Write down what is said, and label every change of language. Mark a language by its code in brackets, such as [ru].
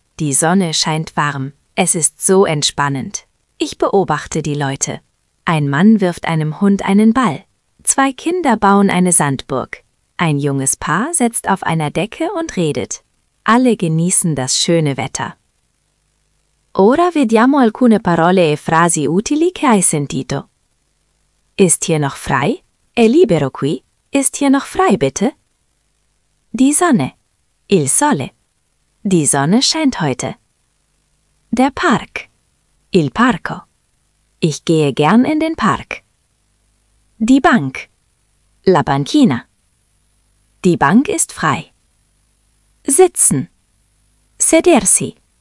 [de] Die Sonne scheint warm. Es ist so entspannend. Ich beobachte die Leute. Ein Mann wirft einem Hund einen Ball. Zwei Kinder bauen eine Sandburg. Ein junges Paar sitzt auf einer Decke und redet. Alle genießen das schöne Wetter. [it] Ora vediamo alcune parole e frasi utili che hai sentito. [de] Ist hier noch frei? [it] È libero qui? [de] Ist hier noch frei, bitte? Die Sonne. [it] Il sole. [de] Die Sonne scheint heute. Der Park. [it] Il parco. [de] Ich gehe gern in den Park. Die Bank. [it] La banchina. [de] Die Bank ist frei. Sitzen. Sedersi.